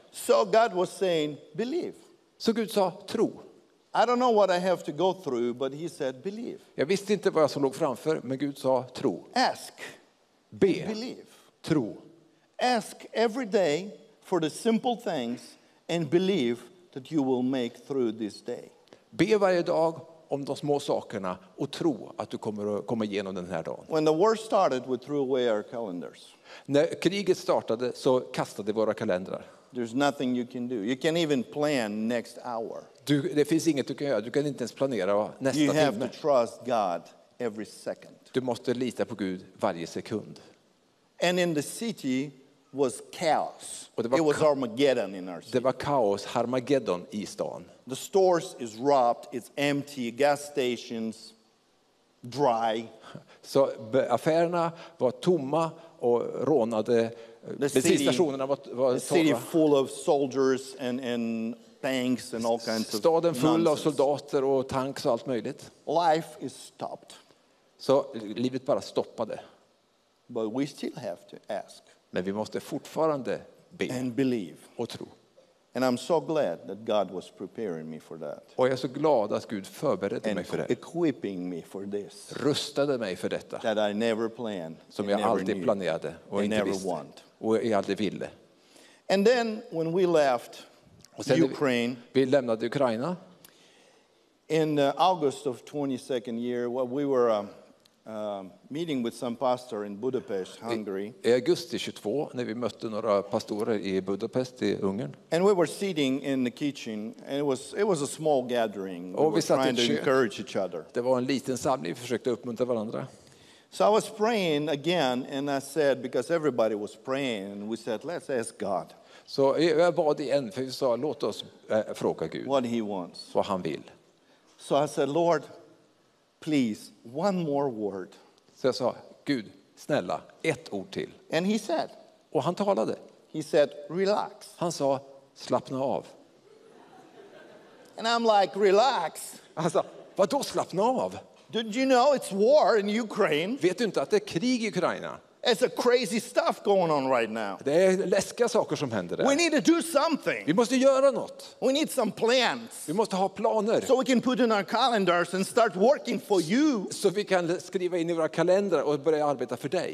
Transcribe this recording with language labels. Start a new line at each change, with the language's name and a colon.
English: So God was saying, believe.
Swedish: Så Gud sa, tro.
English: I don't know what I have to go through, but he said, believe.
Swedish: Jag visste inte vad jag som låg framför, men Gud sa, tro.
English: Ask.
Swedish: Be.
English: Believe.
Swedish: Tro.
English: Ask every day for the simple things and believe that you will make through this day.
Swedish: Be varje dag om de små sakerna och tro att du kommer att komma igenom den här dagen.
English: When the war started, we threw away our calendars.
Swedish: När kriget startade så kastade vi våra kalendrar.
English: There's nothing you can do. You can't even plan next hour.
Swedish: Det finns inget du kan göra. Du kan inte ens planera nästa timme.
English: You have to trust God every second.
Swedish: Du måste lita på Gud varje sekund.
English: And in the city was chaos. It was Armageddon in our city.
Swedish: Det var kaos, Armageddon i stan.
English: The stores is robbed, it's empty, gas stations dry.
Swedish: Så affärerna var tomma och rånade. Bensinstationerna var tomma.
English: The city full of soldiers and tanks and all kinds of
Swedish: staden
English: nonsense.
Swedish: Full av soldater och tanks och allt möjligt.
English: Life is stopped.
Swedish: Så livet bara stoppade.
English: But we still have to ask.
Swedish: Men vi måste fortfarande be.
English: And believe.
Swedish: Och tro.
English: And I'm so glad that God was preparing me for that.
Swedish: Och jag är så glad att Gud förberedde mig för det.
English: And equipping me for this.
Swedish: Rustade mig för detta.
English: That I never planned.
Swedish: Som jag aldrig planerade och inte visste. Och jag aldrig ville.
English: And then when we left Ukraine.
Swedish: Vi lämnade Ukraina.
English: In August of 22nd year, we were meeting with some pastor in Budapest, Hungary.
Swedish: I augusti 22 när vi mötte några pastorer i Budapest i Ungern.
English: And we were sitting in the kitchen and it was a small gathering. We were trying to encourage each other.
Swedish: Det var en liten samling, vi försökte uppmuntra varandra.
English: So I was praying again and I said, because everybody was praying, and we said, let's ask God.
Swedish: Så jag bad igen, för vi sa, låt oss fråga Gud.
English: What he wants.
Swedish: Vad han vill.
English: So I said, Lord, please, one more word.
Swedish: Så jag sa, Gud, snälla, ett ord till.
English: And he said.
Swedish: Och han talade.
English: He said, relax.
Swedish: Han sa, slappna av.
English: And I'm like, relax.
Swedish: Han sa, vadå slappna av?
English: Did you know it's war in Ukraine?
Swedish: Vet du inte att det är krig i Ukraina?
English: There's a crazy stuff going on right now.
Swedish: Det är läskiga saker som händer där.
English: We need to do something.
Swedish: Vi måste göra något.
English: We need some plans.
Swedish: Vi måste ha planer.
English: So we can put in our calendars and start working for you.
Swedish: Så vi kan skriva in i våra kalendrar och börja arbeta för dig.